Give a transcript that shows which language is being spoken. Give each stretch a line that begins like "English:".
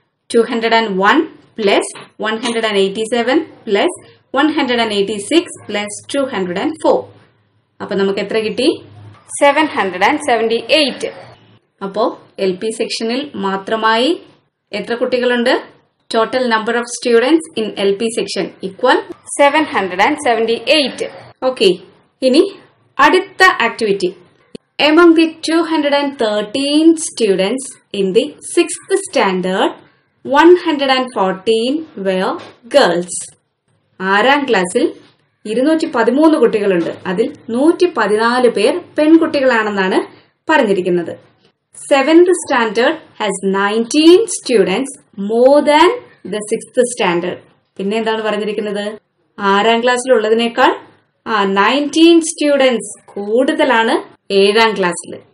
Malayalam: 201 plus 187 plus 186 plus 204. അപ്പൊ നമുക്ക് എത്ര കിട്ടി? 778. അപ്പോ എൽ പി സെക്ഷനിൽ മാത്രമായി എത്ര കുട്ടികളുണ്ട്?
English: Total number of students in L P section equal 778.
Malayalam: Okay, ഇനി അടുത്ത activity.
English: Among the 213 students in the 6th standard, 114 were girls.
Malayalam: ആറാം ക്ലാസ്സിൽ 213 കുട്ടികളുണ്ട്. അതിൽ 114 പേർ പെൺകുട്ടികളാണെന്നാണ് പറഞ്ഞിരിക്കുന്നത്.
English: Seventh standard has 19 students more than the sixth standard.
Malayalam: പിന്നെ എന്താണ് പറഞ്ഞിരിക്കുന്നത്? ആറാം ക്ലാസ്സിലുള്ളതിനേക്കാൾ 19 സ്റ്റുഡൻസ് കൂടുതലാണ് ഏഴാം ക്ലാസ്സിൽ.